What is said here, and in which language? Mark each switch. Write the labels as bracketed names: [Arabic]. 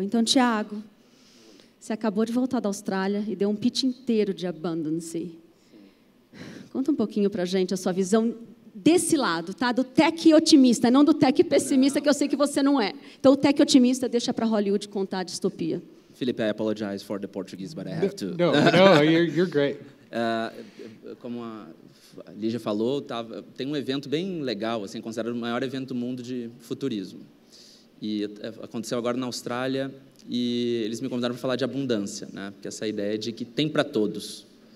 [Portuguese] Então, Thiago, você acabou de voltar da Austrália e deu um pitch inteiro de abundance. Conta um pouquinho para a gente a sua visão desse lado, tá? Do tech otimista, não do tech pessimista, que eu sei que você não é. Então, o tech otimista deixa para Hollywood contar a distopia. [English] Felipe, I apologize for the Portuguese, but I have to. No, you're great. [Portuguese] Como a Lígia falou, tem um evento bem legal, assim, considerado o maior evento do mundo de futurismo. E aconteceu agora na Austrália e eles me convidaram para falar de abundância, né? Porque essa ideia de que tem para todos.